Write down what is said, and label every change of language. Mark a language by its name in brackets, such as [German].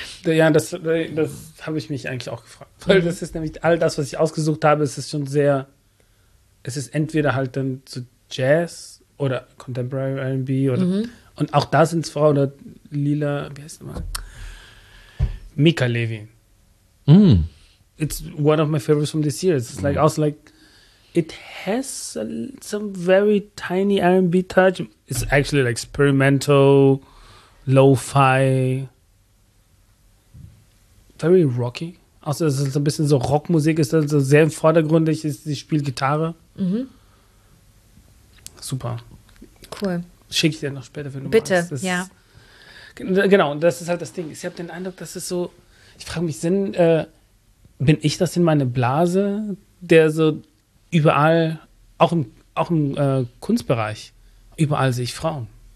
[German] Ja, das habe ich mich eigentlich auch gefragt. Weil das ist nämlich all das, was ich ausgesucht habe, es ist schon sehr, es ist entweder halt dann so Jazz oder Contemporary R&B oder und auch da sind es Frauen oder Lila, wie heißt das mal? Mika Levy. Mm. [English] It's one of my favorites from this year. It's like also like it has some very tiny R&B touch. It's actually like experimental, Lo-Fi, very rocky. [German] Außer dass es ein bisschen so Rockmusik ist, also sehr vordergründig ist, sie spielt Gitarre. Mhm. Super. Cool. Schicke ich dir noch später, wenn du bitte magst. Bitte, ja. Genau, und das ist halt das Ding. Ich habe den Eindruck, dass es so, ich frage mich, bin ich das in meine Blase, der so überall, auch im Kunstbereich, überall sehe ich Frauen.